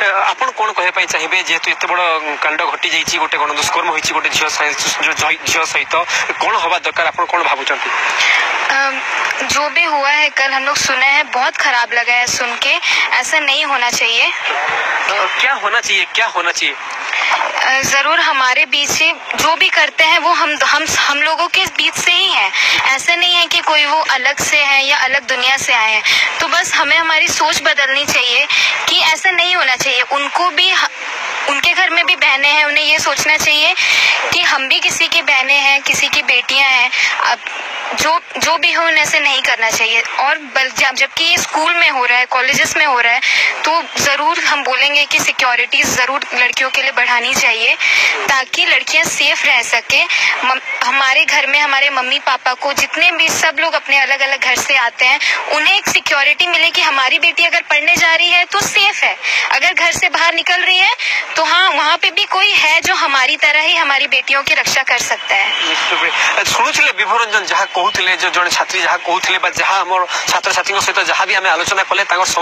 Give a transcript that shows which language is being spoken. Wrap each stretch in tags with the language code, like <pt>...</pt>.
<or>ଆପଣ କଣ କହିବା ପାଇଁ ଚାହିଁବେ, ଯେହେତୁ ଏତେ ବଡ କାଣ୍ଡ ଘଟି ଯାଇଛି, ଗୋଟେ ଗଣଦୁଷ୍କର୍ମ ହୋଇଛି ଗୋଟେ ଝିଅ ସହିତ, କଣ ହବା ଦରକାର, ଆପଣ କଣ ଭାବୁଛନ୍ତି?</or> <hi>जो भी हुआ है कल हम लोग सुने हैं, बहुत खराब लगा है सुन के, ऐसा नहीं होना चाहिए। क्या होना चाहिए, क्या होना चाहिए? जरूर हमारे बीच से जो भी करते हैं वो हम लोगों के बीच से ही है, ऐसा नहीं है कि कोई वो अलग से है या अलग दुनिया से आए हैं। तो बस हमें हमारी सोच बदलनी चाहिए कि ऐसा नहीं होना चाहिए। उनको भी उनके घर में भी बहने हैं, उन्हें ये सोचना चाहिए कि हम भी किसी की बहने हैं, किसी की बेटियां हैं। अब जो भी हो उन्हें ऐसे नहीं करना चाहिए। और जबकि ये स्कूल में हो रहा है, कॉलेजेस में हो रहा है, तो जरूर हम बोलेंगे कि सिक्योरिटी जरूर लड़कियों के लिए बढ़ानी चाहिए ताकि लड़कियां सेफ रह सके। हमारे घर में हमारे मम्मी पापा को, जितने भी सब लोग अपने अलग अलग घर से आते हैं, उन्हें एक सिक्योरिटी मिले कि हमारी बेटी अगर पढ़ने जा रही है तो सेफ है, अगर घर से बाहर निकल रही है तो हाँ वहाँ पे भी कोई है जो हमारी तरह ही हमारी बेटियों की रक्षा कर सकता है।</hi> <or>ଯାହା କହୁଥିଲେ ଯେ ଜଣେ ଛାତ୍ରୀ ଯାହା କହୁଥିଲେ ବା ଯାହା ଆମର ଛାତ୍ରଛାତ୍ରୀଙ୍କ ସହିତ ଯାହା ବି ଆମେ ଆଲୋଚନା କଲେ ତାଙ୍କ</or>